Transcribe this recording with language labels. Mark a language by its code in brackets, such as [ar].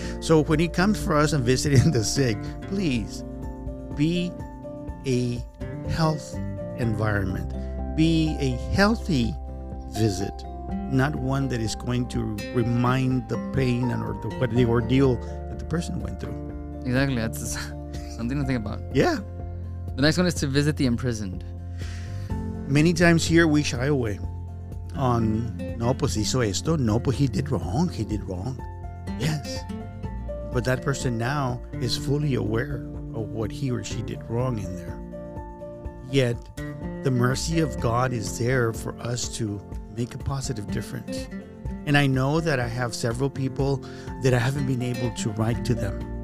[en] So when he comes for us and visiting the sick, please be a health environment. Be a healthy visit. Not one that is going to remind the pain and the ordeal that the person went through. Exactly. That's something to think about. Yeah. The next one is to visit the imprisoned. Many times here we shy away on, [es] no, pues hizo esto. No, pues [en] he did wrong. He did wrong. Yes. But that person now is fully aware of what he or she did wrong in there. Yet, the mercy of God is there for us to make a positive difference. And I know that I have several people that I haven't been able to write to them.